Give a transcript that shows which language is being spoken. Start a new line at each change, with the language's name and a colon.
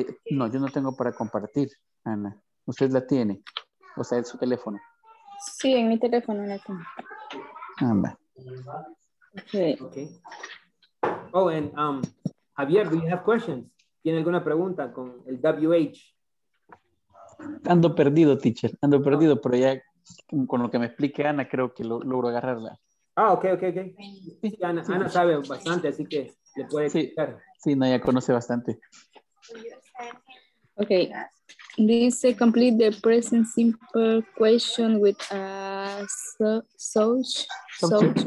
Spanish: No, yo no tengo para compartir, Ana. ¿Usted la tiene? O sea, en su teléfono. Sí, en mi teléfono la tengo. Anda. Okay.
English: Okay. Oh, and Javier, do you have questions?
Spanish: ¿Tiene alguna pregunta con el WH? Ando perdido, teacher. Ando perdido, pero ya con lo que me explique Ana, creo que logro agarrarla. Ah, ok, ok, ok. Sí, Ana, sí. Ana sabe bastante, así que le puede explicar. Sí, sí, no, ya conoce bastante. Ok. Dice,
English: complete the present simple question with a subject